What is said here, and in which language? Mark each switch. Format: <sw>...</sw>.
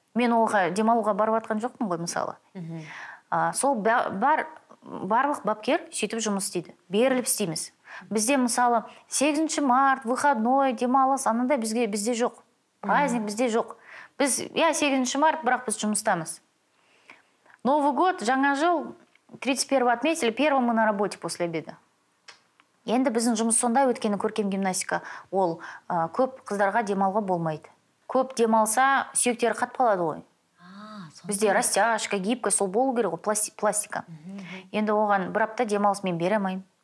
<kk>Мен оға демалуға барып атқан жоқпын ғой мысалы. Сол барлық бапкер сөйтіп жұмыс істейді. Беріліп істейміз. Бізде мысалы 8 март, выходной, демалыс, анында бізде жоқ. Праздник бізде жоқ. Біз, иә, 8 март, бірақ біз жұмыстамыз.</kk> <ru>Новый год,</ru> <kk>жаңа жыл,</kk> <ru>31-й отметили, 1-й мы на работе после обеда.</ru> <kk>Енді біздің жұмыс сонда өткені көркем гимнастика, ол көп қыздарға демалға болмайды. Көп демалса, сүйектері қатып қалады ғой. Бізде растяжка, гибкі, сол болу керек ол, пластика. Енді оған бір апта демалыс мен бере алмаймын.</kk>